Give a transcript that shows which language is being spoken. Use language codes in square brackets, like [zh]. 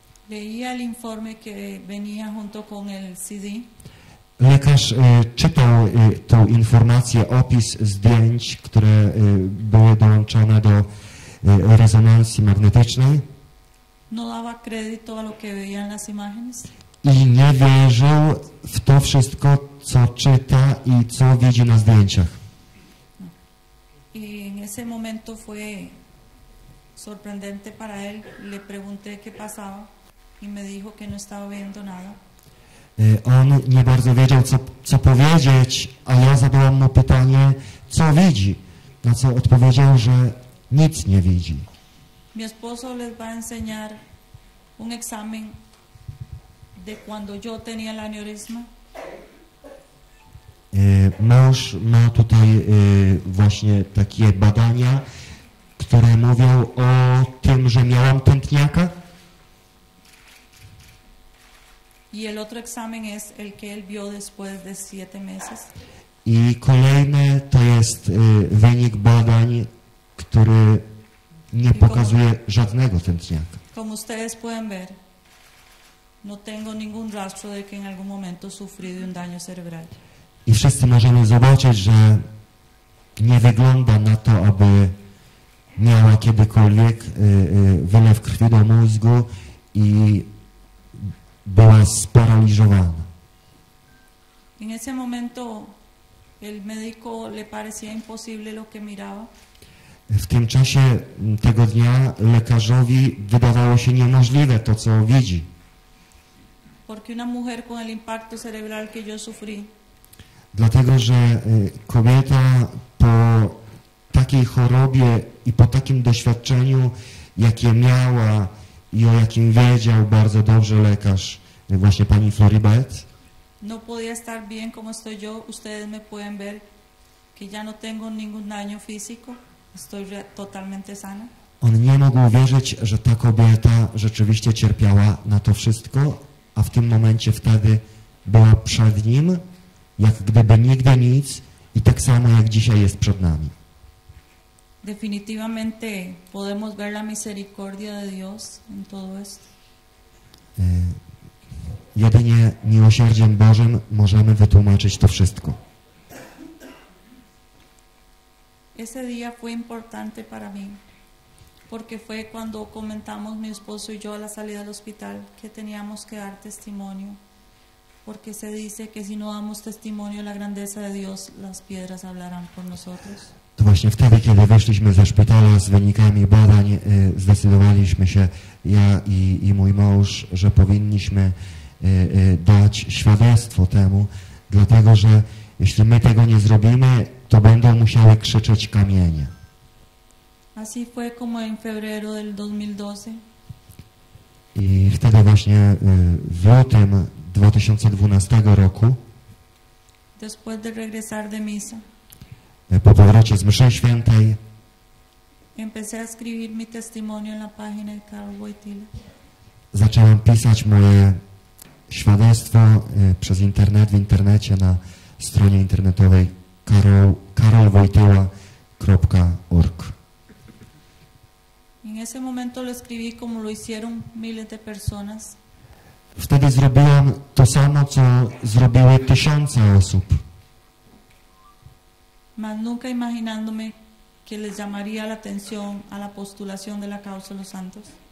[es] Leía el informe que venía junto con el CD. [pl] Lekarz czytał tą informację, opis zdjęć, które były dołączone do rezonansji magnetycznej. [es] No daba crédito a lo que veía en las imágenes. [pl] I nie wierzył w to wszystko, co czyta i co widzi na zdjęciach. [es] Y en ese momento fue sorprendente para él. Le pregunté qué pasaba. I me dijo que no estaba viendo nada. [pl] On nie bardzo wiedział, co powiedzieć, a ja zadałam mu pytanie, co widzi, na co odpowiedział, że nic nie widzi. [es] Mi esposo les va a enseñar un examen de cuando yo tenía el aneurisma. [pl] Mąż ma tutaj właśnie takie badania, które mówią o tym, że miałam tętniaka. [es] Y el otro examen es el que él vio después de 7 meses. [pl] I kolejny to jest wynik badań, który nie pokazuje żadnego tętniaka. [es] Como ustedes pueden ver, no tengo ningún rastro de que en algún momento sufrí de un daño cerebral. [pl] I wszyscy możemy zobaczyć, że nie wygląda na to, aby miała kiedykolwiek wylew krwi do mózgu i była sparaliżowana. [es] En ese momento el médico le parecía imposible lo que miraba. [pl] W tym czasie tego dnia lekarzowi wydawało się niemożliwe to, co widzi. [es] Porque una mujer con el impacto cerebral que yo sufrí. [pl] Dlatego, że kobieta po takiej chorobie i po takim doświadczeniu, jakie miała i o jakim wiedział bardzo dobrze lekarz, właśnie pani Floribeth. [es] No podía estar bien como estoy yo. Ustedes me pueden ver que ya no tengo ningún daño físico. Estoy totalmente sana. [pl] On nie mógł uwierzyć, że ta kobieta rzeczywiście cierpiała na to wszystko, a w tym momencie wtedy była przed nim, jak gdyby nigdy nic i tak samo jak dzisiaj jest przed nami. [es] Definitivamente podemos ver la misericordia de Dios en todo esto. [pl] Jedynie miłosierdziem Bożym możemy wytłumaczyć to wszystko. [es] Ese día fue importante para mí, porque fue cuando comentamos mi esposo y yo a la salida del hospital que teníamos que dar testimonio, porque se dice que si no damos testimonio de la grandeza de Dios, las piedras hablarán por nosotros. [pl] To właśnie wtedy, kiedy wyszliśmy ze szpitala z wynikami badań, zdecydowaliśmy się, ja i mój mąż, że powinniśmy dać świadectwo temu, dlatego, że jeśli my tego nie zrobimy, to będą musiały krzyczeć kamienie. [es] Así fue como en febrero del 2012. [pl] I wtedy właśnie w lutym 2012 roku, [es] después de regresar de misa, [pl] po powrocie z mszy świętej, [es] empecé a escribir mi testimonio en la página de Carlos Wojtyla. [pl] Zacząłem pisać moje świadectwo przez internet, w internecie, na stronie internetowej karolwojtyla.org. [es] En ese momento lo escribí como lo hicieron miles de personas. [pl] Wtedy zrobiłam to samo, co zrobiły tysiące osób. [es] Mas nunca imaginándome que les llamaría la atención a la postulación de la causa de los santos.